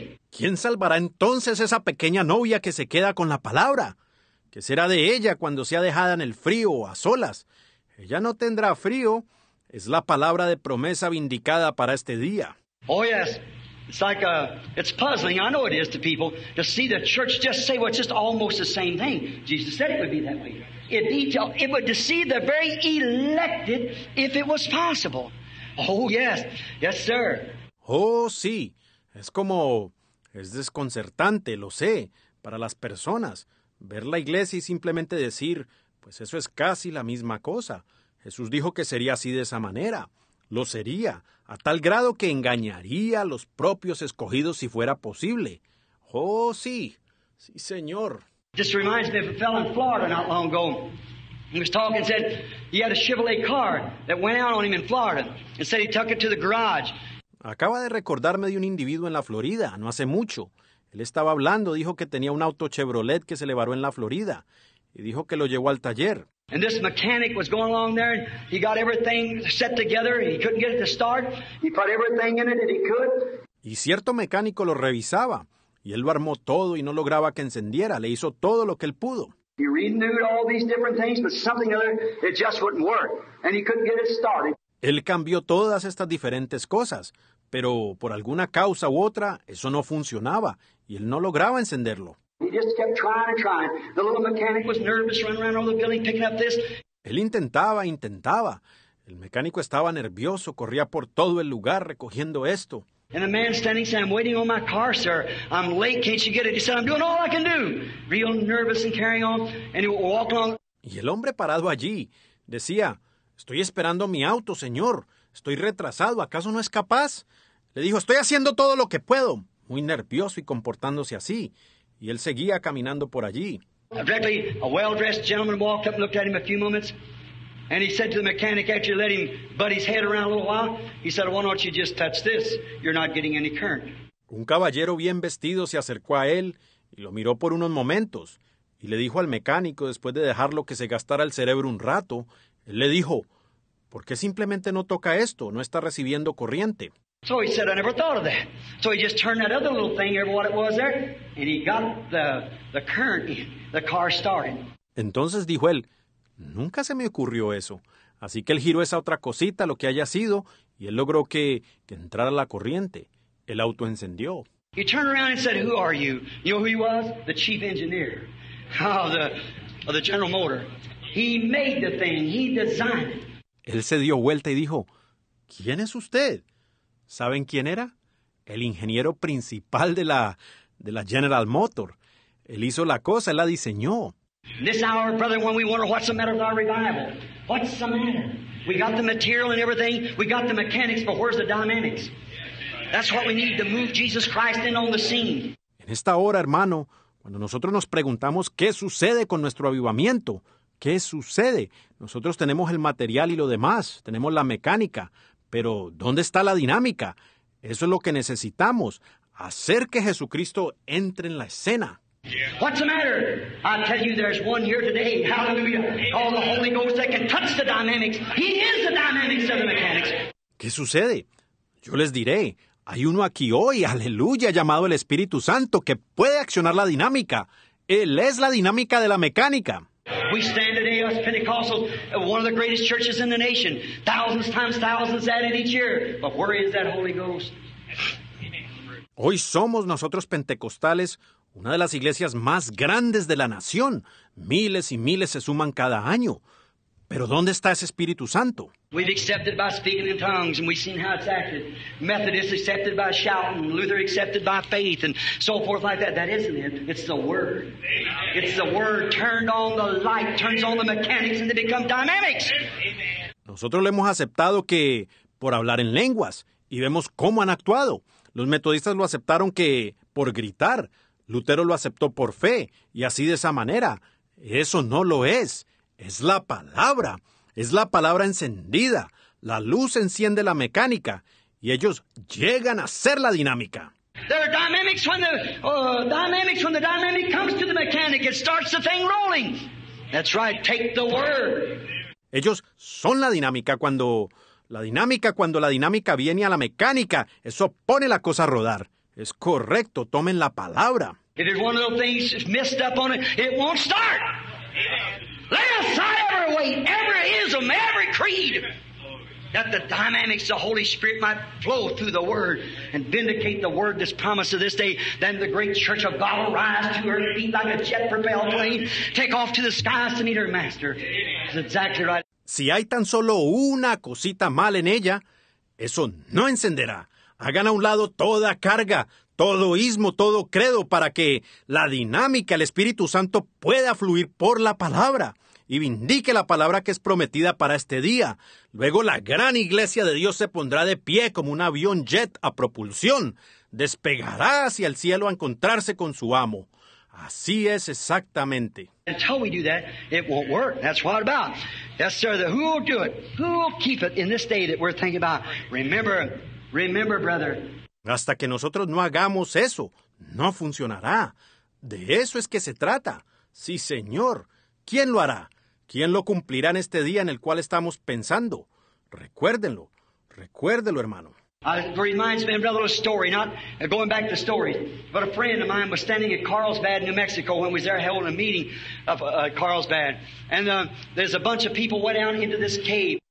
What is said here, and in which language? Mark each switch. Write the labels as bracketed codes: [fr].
[es] ¿Quién salvará entonces esa pequeña novia que se queda con la palabra? ¿Qué será de ella cuando sea dejada en el frío o a solas? Ella no tendrá frío. Es la palabra de promesa vindicada para este día. [en] Oh, yes. It's like it's puzzling. I know it is to people to see the church just say what's just almost the same thing. Jesus said it would be that way. In detail, it would deceive the very elected if it was possible. Oh, yes. Yes, sir. [es] Oh, sí. Es desconcertante, lo sé, para las personas. Ver la iglesia y simplemente decir, pues eso es casi la misma cosa. Jesús dijo que sería así de esa manera. Lo sería, a tal grado que engañaría a los propios escogidos si fuera posible. Oh, sí. Sí, señor. [en] Just reminds me of a fellow in Florida not long ago. He was talking, said he had a Chevrolet car that went out on him in Florida and said he took it to the garage. [es] Acaba de recordarme de un individuo en la Florida, no hace mucho. Él estaba hablando, dijo que tenía un auto Chevrolet que se le varó en la Florida y dijo que lo llevó al taller. [en] And this mechanic was going along there, and he got everything set together, and he couldn't get it to start. He put everything in it that he could. [es] Y cierto mecánico lo revisaba, y él lo armó todo y no lograba que encendiera. Le hizo todo lo que él pudo. [en] He renewed all these different things, but something other, it just wouldn't work, and he couldn't get it started. [es] Él cambió todas estas diferentes cosas, pero por alguna causa u otra, eso no funcionaba, y él no lograba encenderlo. [en] He just kept trying and trying. The little mechanic was nervous, running around all the building, picking up this. [es] Él intentaba, intentaba. El mecánico estaba nervioso, corría por todo el lugar recogiendo esto. [en] And the man standing said, "I'm waiting on my car, sir. I'm late. Can't you get it?" He said, "I'm doing all I can do." Real nervous and carrying on, and he walked along. [es] Y el hombre parado allí decía, "Estoy esperando mi auto, señor. Estoy retrasado. ¿Acaso no es capaz?" Le dijo, "Estoy haciendo todo lo que puedo." Muy nervioso y comportándose así. Y él seguía caminando por allí. [en] Directly, a well-dressed gentleman walked up and looked at him a few moments. And he said to the mechanic, after you let him butt his head around a little while, he said, "Why don't you just touch this? You're not getting any current." [es] Un caballero bien vestido se acercó a él y lo miró por unos momentos. Y le dijo al mecánico, después de dejarlo que se gastara el cerebro un rato, él le dijo, "¿Por qué simplemente no toca esto? No está recibiendo corriente." [en] So he said, "I never thought of that." So he just turned that other little thing, what it was there, and he got the current in. The car started. [es] Entonces dijo él, "Nunca se me ocurrió eso." Así que él giró esa otra cosita, lo que haya sido, y él logró que entrara la corriente. El auto encendió. [en] He turned around and said, "Who are you?" You know who he was? The chief engineer of the General Motor. He made the thing. He designed it. [es] Él se dio vuelta y dijo, "¿Quién es usted?" ¿Saben quién era? El ingeniero principal de la General Motor. Él hizo la cosa, él la diseñó. [en] This hour, brother, when we wonder what's the matter with our revival. What's the matter? We got the material and everything. We got the mechanics, but where's the dynamics? That's what we need to move Jesus Christ in on the scene. [es] En esta hora, hermano, cuando nosotros nos preguntamos qué sucede con nuestro avivamiento, ¿qué sucede? Nosotros tenemos el material y lo demás, tenemos la mecánica. Pero, ¿dónde está la dinámica? Eso es lo que necesitamos, hacer que Jesucristo entre en la escena. [en] What's the matter? I tell you, there's one here today, hallelujah, called the Holy Ghost that can touch the dynamics. He is the dynamics of the mechanics. [es] ¿Qué sucede? Yo les diré, hay uno aquí hoy, aleluya, llamado el Espíritu Santo, que puede accionar la dinámica. Él es la dinámica de la mecánica. [en] We stand today as Pentecostals, one of the greatest churches in the nation. Thousands times thousands added each year. But where is that Holy Ghost? [es] Hoy somos nosotros pentecostales una de las iglesias más grandes de la nación. Miles y miles se suman cada año. Pero ¿dónde está ese Espíritu Santo? [en] We've accepted by speaking in tongues, and we've seen how it's acted. Methodists accepted by shouting, Luther accepted by faith, and so forth like that. That isn't it. It's the Word. It's the Word turned on the light, turns on the mechanics, and they become dynamics. [es] Nosotros le hemos aceptado que por hablar en lenguas, y vemos cómo han actuado. Los metodistas lo aceptaron que por gritar. Lutero lo aceptó por fe, y así de esa manera. Eso no lo es. Es la palabra encendida, La luz enciende la mecánica y ellos llegan a ser la dinámica. [en] There are dynamics when the dynamic comes to the mechanic, it starts the thing rolling. That's right, take the word. [es] Ellos son la dinámica cuando la dinámica viene a la mecánica, eso pone la cosa a rodar. Es correcto, tomen la palabra. [en] If it's one of those things messed up on it, it won't start. Lay aside every weight, every ism, every creed. That the dynamics of the Holy Spirit might flow through the Word and vindicate the Word, this promise of this day. Then the great church of God will rise to her feet like a jet propelled plane, take off to the skies to meet her master. That's exactly right. [es] Si hay tan solo una cosita mal en ella, eso no encenderá. Hagan a un lado toda carga, todo ismo, todo credo, para que la dinámica, el Espíritu Santo, pueda fluir por la palabra. Y vindique la palabra que es prometida para este día. Luego la gran iglesia de Dios se pondrá de pie como un avión jet a propulsión. Despegará hacia el cielo a encontrarse con su amo. Así es exactamente. [en] Until we do that, it won't work. That's what it's about. Yes, sir. Who will do it? Who will keep it in this day that we're thinking about? Remember, remember, brother. [es] Hasta que nosotros no hagamos eso, no funcionará. De eso es que se trata. Sí, señor. ¿Quién lo hará? ¿Quién lo cumplirá en este día en el cual estamos pensando? Recuérdenlo. Recuérdelo, hermano. [en] Reminds me of another story, not going back to stories, but a friend of mine was standing at Carlsbad, New Mexico, when we was there holding a meeting of Carlsbad. And there's a bunch of people went down into this cave.